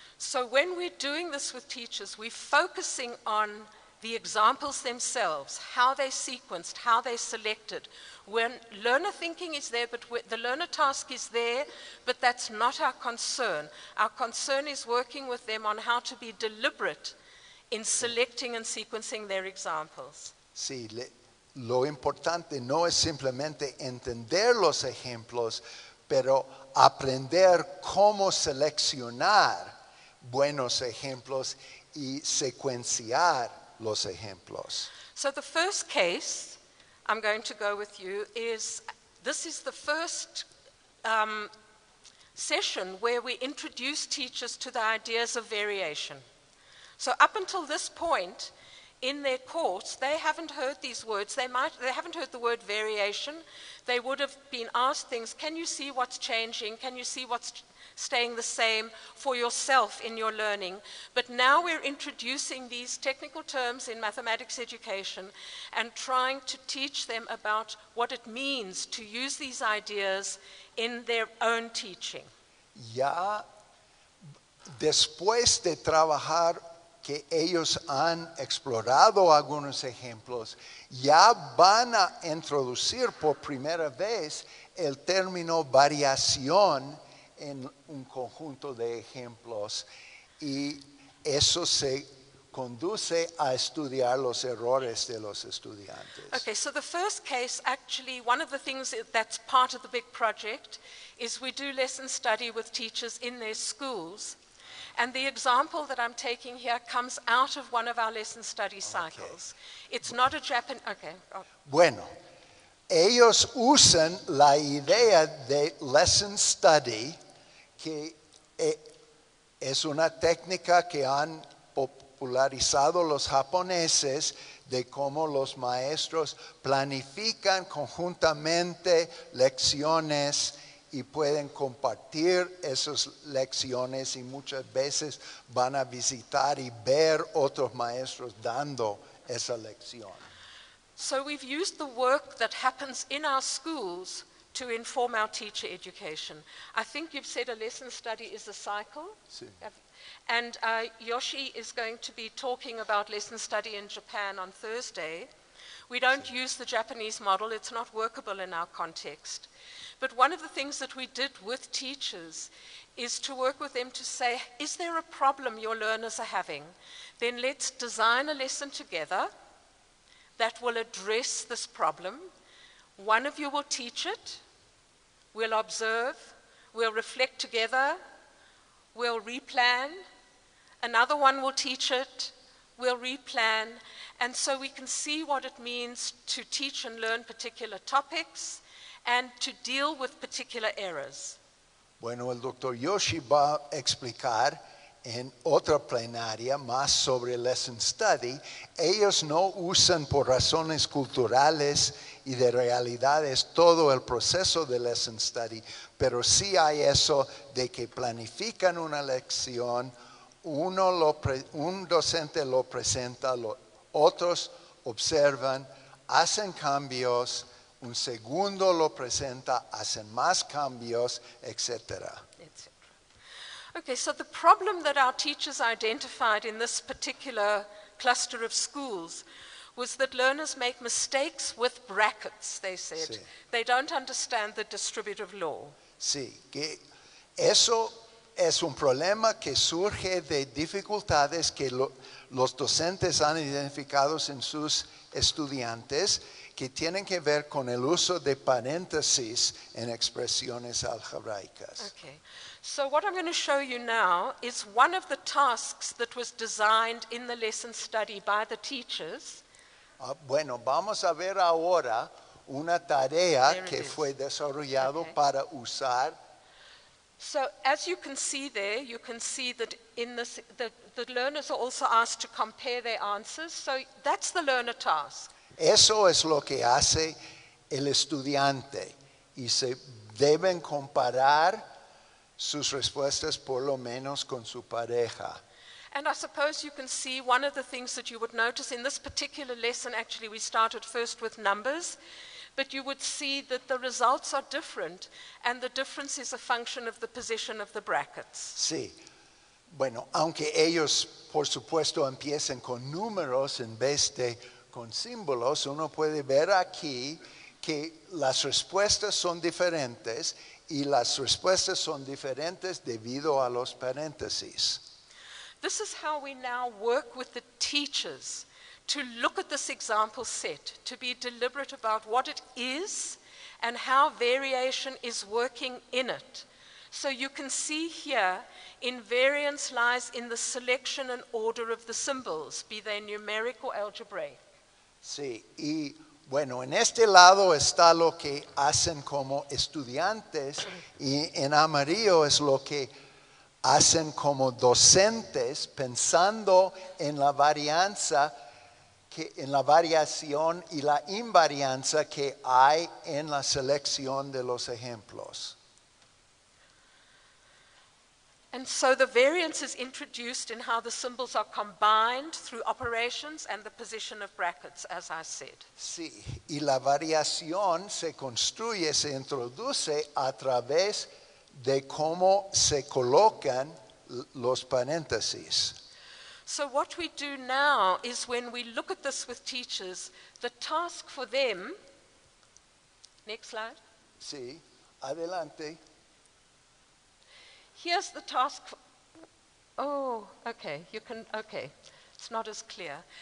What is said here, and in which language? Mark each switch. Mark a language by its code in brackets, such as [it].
[en] So when we're doing this with teachers, we're focusing on the examples themselves, how they sequenced, how they selected. When learner thinking is there, but the learner task is there, but that's not our concern. Our concern is working with them on how to be deliberate in selecting and sequencing their examples. [es] Sí, lo importante no es simplemente entender los ejemplos, pero aprender cómo seleccionar buenos ejemplos y secuenciar los ejemplos. [en] So the first case I'm going to go with you is, this is the first session where we introduce teachers to the ideas of variation. So up until this point in their course, they haven't heard these words. They haven't heard the word variation. They would have been asked things, can you see what's changing? Can you see what's staying the same for yourself in your learning? But now we're introducing these technical terms in mathematics education and trying to teach them about what it means to use these ideas in their own teaching. [es] Ya después de trabajar que ellos han explorado algunos ejemplos, ya van a introducir por primera vez el término variación en un conjunto de ejemplos, y eso se conduce a estudiar los errores de los estudiantes. [en] Okay, so the first case, actually, one of the things that's part of the big project is we do lesson study with teachers in their schools. And the example that I'm taking here comes out of one of our lesson study cycles. Okay. It's not a Japanese... Okay. [es] Bueno, ellos usan la idea de lesson study, que es una técnica que han popularizado los japoneses de cómo los maestros planifican conjuntamente lecciones y pueden compartir esas lecciones y muchas veces van a visitar y ver otros maestros dando esa lección. [en] So we've used the work that happens in our schools to inform our teacher education. I think you've said a lesson study is a cycle. [es] Sí. [en] And Yoshi is going to be talking about lesson study in Japan on Thursday. We don't use the Japanese model. It's not workable in our context. But one of the things that we did with teachers is to work with them to say, is there a problem your learners are having? Then let's design a lesson together that will address this problem. One of you will teach it. We'll observe. We'll reflect together. We'll replan. Another one will teach it. We'll replan. And so we can see what it means to teach and learn particular topics and to deal with particular errors. [es] Bueno, el Dr. Yoshi va a explicar en otra plenaria más sobre lesson study. Ellos no usan por razones culturales y de realidades todo el proceso de lesson study, pero sí hay eso de que planifican una lección, un docente lo presenta, otros observan, hacen cambios, un segundo lo presenta, hacen más cambios, etc. [en] Okay, so the problem that our teachers identified in this particular cluster of schools was that learners make mistakes with brackets, they said. Sí. They don't understand the distributive law. [es] Sí, que eso es un problema que surge de dificultades que los docentes han identificado en sus estudiantes que tienen que ver con el uso de paréntesis en expresiones algebraicas. [en] Okay. So what I'm going to show you now is one of the tasks that was designed in the lesson study by the teachers. [es] Bueno, vamos a ver ahora una tarea que fue desarrollado okay. para usar. [en] So as you can see there, you can see that in this, the learners are also asked to compare their answers. So that's the learner task. [es] Eso es lo que hace el estudiante. Y se deben comparar sus respuestas por lo menos con su pareja. [en] And I suppose you can see one of the things that you would notice in this particular lesson, actually we started first with numbers, but you would see that the results are different and the difference is a function of the position of the brackets. [es] Sí. Bueno, aunque ellos, por supuesto, empiecen con números en vez de con símbolos, uno puede ver aquí que las respuestas son diferentes y las respuestas son diferentes debido a los paréntesis. [en] This is how we now work with the teachers to look at this example set, to be deliberate about what it is and how variation is working in it. So you can see here, invariance lies in the selection and order of the symbols, be they numeric or algebraic. [es] Sí, y bueno, en este lado está lo que hacen como estudiantes, y en amarillo es lo que hacen como docentes, pensando en la varianza, que en la variación y la invarianza que hay en la selección de los ejemplos. [en] And so the variance is introduced in how the symbols are combined through operations and the position of brackets, as I said. [es] Sí, y la variación se construye, se introduce a través de cómo se colocan los paréntesis. [en] So what we do now is when we look at this with teachers, the task for them, next slide. [es] Sí, adelante. [en] Here's the task. Oh, okay, you can, okay, it's not as clear.